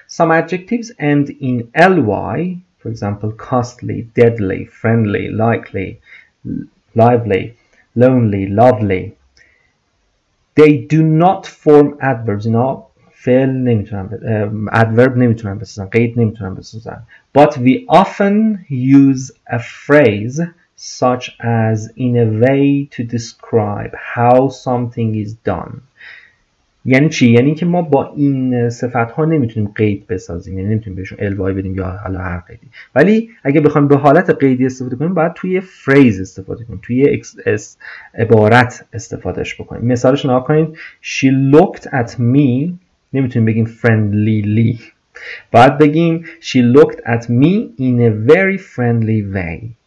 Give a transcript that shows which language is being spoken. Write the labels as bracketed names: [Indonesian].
[English] Some adjectives end in ly، for example costly، deadly، friendly، likely، lively، lonely، lovely. They do not form adverbs. اینا [Persian] فعل نمیتونم ادورب نمیتونم بسازم، قید نمیتونم بسازم. [English] But we often use a phrase such as in a way to describe how something is done. [Persian] یعنی چی؟ یعنی که ما با این صفت ها نمیتونیم قید بسازیم، یعنی نمیتونیم بهشون الوای بدیم یا حالا هر قیدی، ولی اگه بخوایم به حالت قیدی استفاده کنیم باید توی فریز استفاده کنیم، توی عبارت استفادهش بکنیم. مثالش نها کنید، [English] She looked at me، [Persian] نمیتونیم بگیم [English] friendlyly، [Persian] باید بگیم [English] She looked at me in a very friendly way.